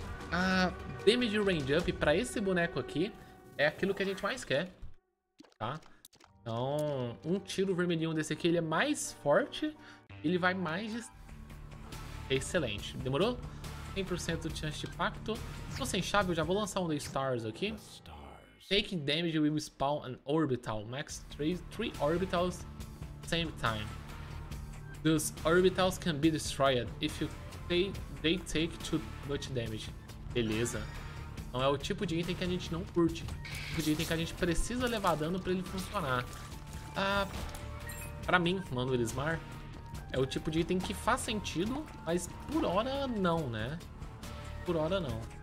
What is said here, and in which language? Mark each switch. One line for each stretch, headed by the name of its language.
Portuguese: Ah... Damage Range Up pra esse boneco aqui é aquilo que a gente mais quer, tá? Então, um tiro vermelhinho desse aqui, ele é mais forte, ele vai mais... Excelente, demorou? 100% de chance de pacto. Se for sem chave, eu já vou lançar um The Stars aqui.
English: Taking damage will spawn an orbital, max 3 orbitals same time. Those orbitals can be destroyed if you they take too much damage.
Portuguese: Beleza. Então é o tipo de item que a gente não curte. O tipo de item que a gente precisa levar dano pra ele funcionar. Ah, pra mim, mano, Elismar, é o tipo de item que faz sentido, mas por hora não, né? Por hora não.